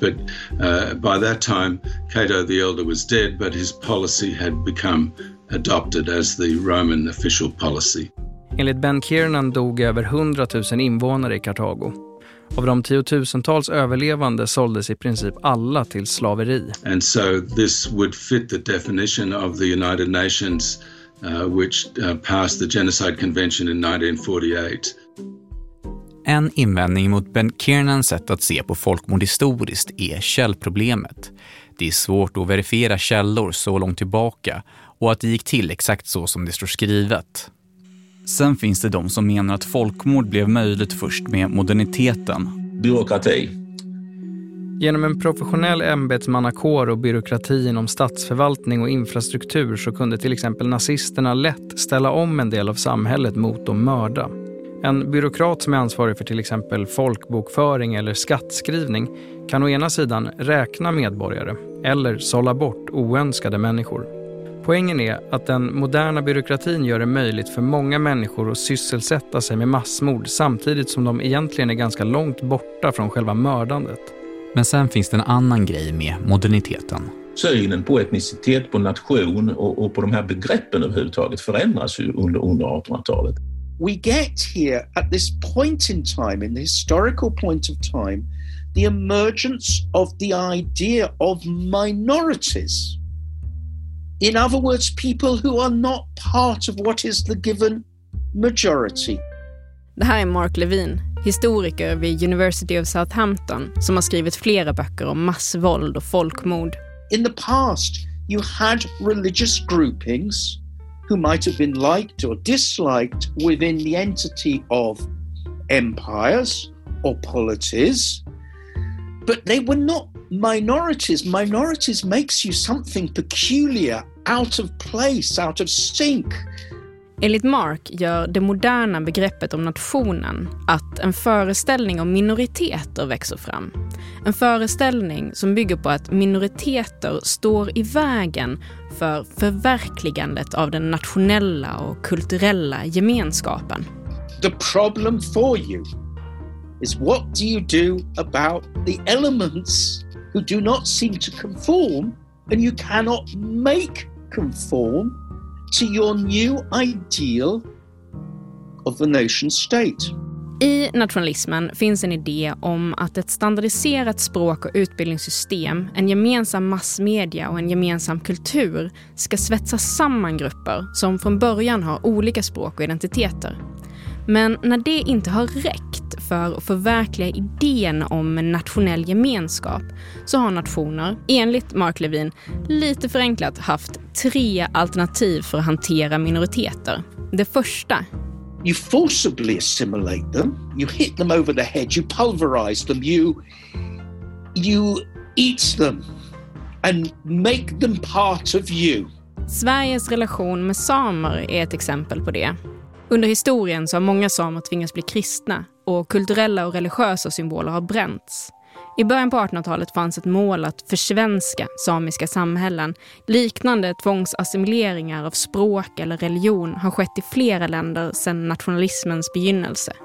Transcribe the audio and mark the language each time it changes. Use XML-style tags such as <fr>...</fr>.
<en>But by that time Cato the Elder was dead, but his policy had become adopted as the Roman official policy.</en> <sv>Enligt Ben Kiernan dog över 100 000 invånare i Karthago. Av de tiotusentals överlevande såldes i princip alla till slaveri.</sv> <en>And so this would fit the definition of the United Nations passed the genocide convention in 1948.</en> <sv>En invändning mot Ben Kiernans sätt att se på folkmord historiskt är källproblemet. Det är svårt att verifiera källor så långt tillbaka och att det gick till exakt så som det står skrivet. Sen finns det de som menar att folkmord blev möjligt först med moderniteten. Byråkrati. Genom en professionell ämbetsmannakår och byråkrati inom statsförvaltning och infrastruktur så kunde till exempel nazisterna lätt ställa om en del av samhället mot att mörda. En byråkrat som är ansvarig för till exempel folkbokföring eller skattskrivning kan å ena sidan räkna medborgare eller sålla bort oönskade människor. Poängen är att den moderna byråkratin gör det möjligt för många människor att sysselsätta sig med massmord samtidigt som de egentligen är ganska långt borta från själva mördandet. Men sen finns det en annan grej med moderniteten. Synen på etnicitet, på nation och på de här begreppen överhuvudtaget förändras ju under 1800-talet.</sv> <en>We get here at this point in time, in the historical point of time, the emergence of the idea of minorities. In other words, people who are not part of what is the given majority.</en> <sv>Det här är Mark Levin, historiker vid University of Southampton, som har skrivit flera böcker om massvåld och folkmord.</sv> <en>In the past, you had religious groupings who might have been liked or disliked within the entity of empires or polities, but they were not minorities. Minorities makes you something peculiar, out of place, out of sync.</en> <sv>Enligt Mark gör det moderna begreppet om nationen att en föreställning om minoriteter växer fram. En föreställning som bygger på att minoriteter står i vägen för förverkligandet av den nationella och kulturella gemenskapen.</sv> <en>The problem for you is what do you do about the elements who do not seem to conform and you cannot make conform to your new ideal of the nation state.</en> <sv>I nationalismen finns en idé om att ett standardiserat språk- och utbildningssystem, en gemensam massmedia och en gemensam kultur ska svetsa samman grupper som från början har olika språk och identiteter. Men när det inte har räckt för att förverkliga idén om en nationell gemenskap så har nationer, enligt Mark Levin, lite förenklat haft tre alternativ för att hantera minoriteter. Det första.</sv> <en>You forcibly assimilate them, you hit them over the head, you pulverize them, you eat them and make them part of you.</en> <sv>Sveriges relation med samer är ett exempel på det. Under historien så har många samer tvingats bli kristna och kulturella och religiösa symboler har bränts. I början på 1800-talet fanns ett mål att försvenska samiska samhällen. Liknande tvångsassimileringar av språk eller religion har skett i flera länder sedan nationalismens begynnelse.</sv>